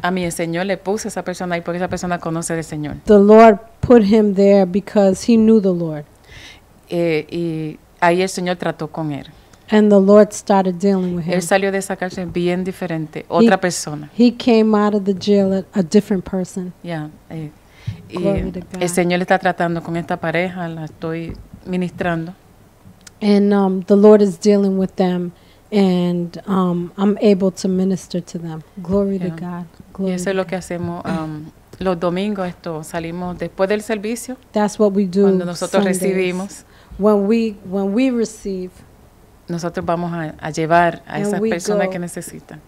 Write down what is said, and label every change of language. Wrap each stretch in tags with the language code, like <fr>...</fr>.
<es>A mí el Señor le puso esa persona ahí porque esa persona conoce del Señor.</es> <en>The Lord put him there because he knew the Lord.</en> <es>Y ahí el Señor trató con él.</es> <en>And the Lord started dealing with him.</en> <es>Él salió de esa cárcel bien diferente, otra persona.</es> <en>He came out of the jail a different person. Yeah. Glory to God.</en> <es>El Señor está tratando con esta pareja, la estoy ministrando.</es> <en>And the Lord is dealing with them, and I'm able to minister to them. Glory to God. Glory.</en> <es>Y eso es lo que hacemos los domingos. Esto salimos después del servicio.</es> <en>That's what we do.</en> <es>Cuando nosotros</es> <en>Sundays.</en> <es>Recibimos.</es> <en>When we receive.</en> <es>Nosotros vamos a llevar a esas personas que necesitan.</es>